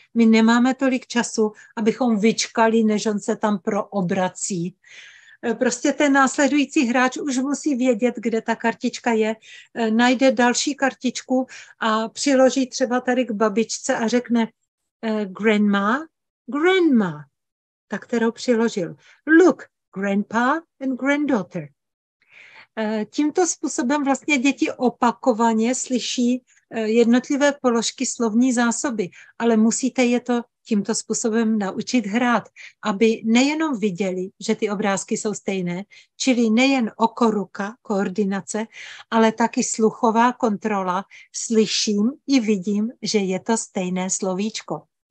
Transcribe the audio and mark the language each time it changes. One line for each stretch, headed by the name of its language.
Czech: My nemáme tolik času, abychom vyčkali, než on se tam proobrací. Prostě ten následující hráč už musí vědět, kde ta kartička je, najde další kartičku a přiloží třeba tady k babičce a řekne grandma, grandma, ta, kterou přiložil.
English: Look, grandpa and granddaughter.
Czech: Tímto způsobem vlastně děti opakovaně slyší jednotlivé položky slovní zásoby, ale musíte je to tímto způsobem naučit hrát, aby nejenom viděli, že ty obrázky jsou stejné, čili nejen oko, ruka, koordinace, ale taky sluchová kontrola, slyším i vidím, že je to stejné slovíčko.